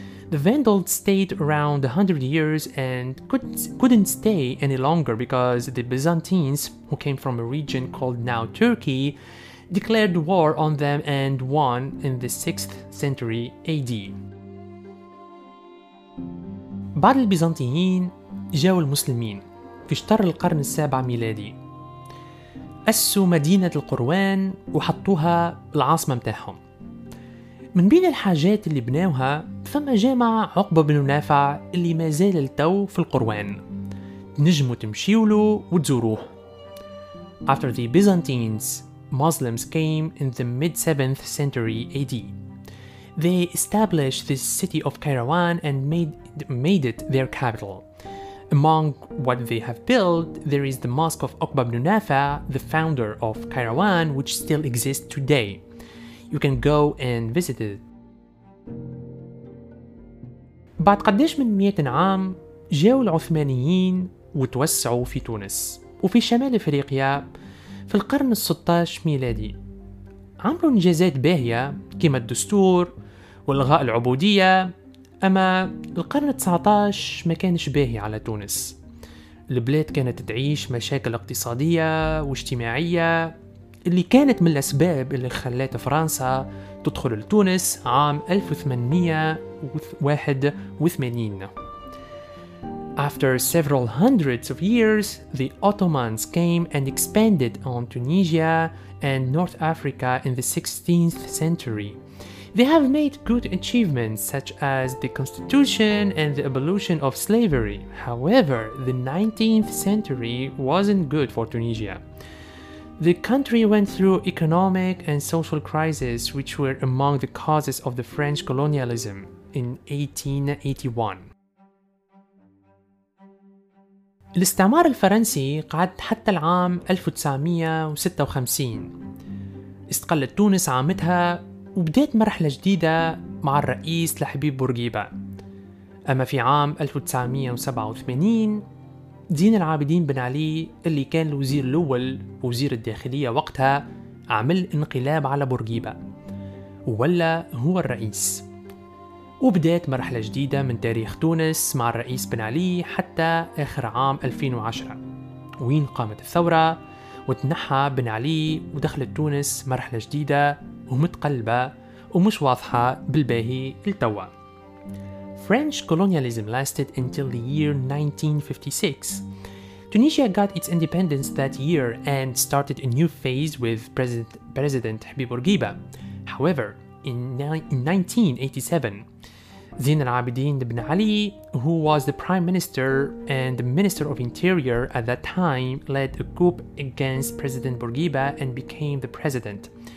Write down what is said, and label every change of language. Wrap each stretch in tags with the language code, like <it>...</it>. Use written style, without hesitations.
<en>The Vandals stayed around 100 years and couldn't stay any longer because the Byzantines, who came from a region called now Turkey, declared war on them and won in the 6th century AD.</en> <ar>بعد البيزنطيين جاءوا المسلمين في شطر القرن السابع ميلادي. أسوا مدينة القروان وحطوها العاصمة متاعهم. من بين الحاجات اللي بناوها فما جامع عقبة بن نافع اللي ما زال التو في القروان، نجموا تمشيوا له وتزوروه.</ar> <en>After the Byzantines, Muslims came in the mid-7th century AD. They established the city of Kairouan and made it their capital. Among what they have built, there is the mosque of Uqba ibn Nafa, the founder of Kairouan, which still exists today. You can go and visit it.</en> <ar>بعد قديش من 100 عام جاءوا العثمانيين وتوسعوا في تونس وفي شمال افريقيا في القرن 16 ميلادي. عملوا انجازات باهية كما الدستور والغاء العبودية، أما القرن 19 ما كانش باهي على تونس. البلاد كانت تعيش مشاكل اقتصادية واجتماعية اللي كانت من الأسباب اللي خلت فرنسا تدخل لتونس عام 1881.</ar> <en>After several hundreds of years, the Ottomans came and expanded on Tunisia and North Africa in the 16th century. They have made good achievements such as the constitution and the abolition of slavery. However, the 19th century wasn't good for Tunisia. The country went through economic and social crises, which were among the causes of the French colonialism in 1881.</en> <ar>الاستعمار الفرنسي قعد حتى العام 1956. استقلت تونس عامتها وبدأت مرحلة جديدة مع الرئيس لحبيب بورقيبة. أما في عام 1987 دين العابدين بن علي اللي كان الوزير الأول ووزير الداخلية وقتها عمل انقلاب على بورقيبة وولى هو الرئيس، وبدأت مرحلة جديدة من تاريخ تونس مع الرئيس بن علي حتى آخر عام 2010 وين قامت الثورة وتنحى بن علي ودخلت تونس مرحلة جديدة ومتقلبة ومش واضحة بالباهي التوا.</ar> <en>French colonialism lasted until the year 1956. Tunisia got its independence that year and started a new phase with President Habib Bourguiba. However, in 1987, Zine El Abidine Ben Ali, who was the Prime Minister and the Minister of Interior at that time, led a coup against President Bourguiba and became the president.</en>